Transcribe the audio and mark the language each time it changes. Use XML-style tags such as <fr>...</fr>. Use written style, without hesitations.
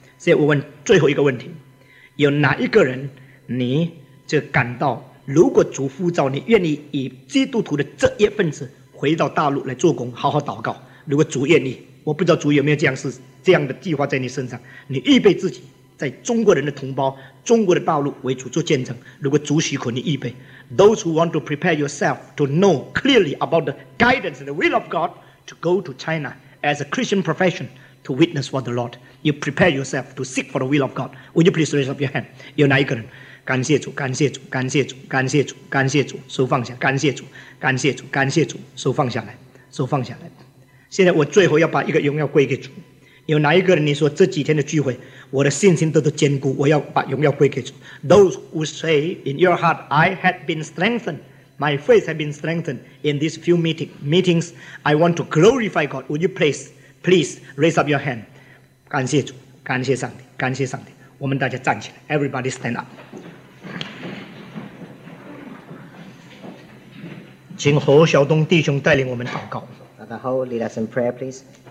<zh>所以我问最后一个问题，有哪一个人你就感到，如果主呼召你，愿意以基督徒的职业分子回到大陆来做工，好好祷告，如果主愿意，我不知道主有没有这样事，这样的计划在你身上，你预备自己在中国人的同胞，中国的道路为主做见证，如果主许可你预备。</zh> <en>Those who want to prepare yourself to know clearly about the guidance and the will of God to go to China as a Christian profession to witness for the Lord. You prepare yourself to seek for the will of God. Would you please raise up your hand?</en> <zh>有哪一个人？感谢主，感谢主，感谢主，感谢主，感谢主，手放下，感谢主，感谢主，感谢主，手放下来，手放下来。现在我最后要把一个荣耀归给主。有哪一个人你说这几天的聚会我的信心都是坚固，我要把荣耀归给主。</zh> <en>Those who say in your heart I had been strengthened, my faith had been strengthened in these few meetings, I want to glorify God, would you please raise up your hand?</en> <zh>感谢主，感谢上帝，感谢上帝。我们大家站起来，</zh> <en>Everybody stand up.</en> <zh>请何晓东弟兄带领我们祷告。</zh> <en>Father Ho, lead us in prayer please.</en>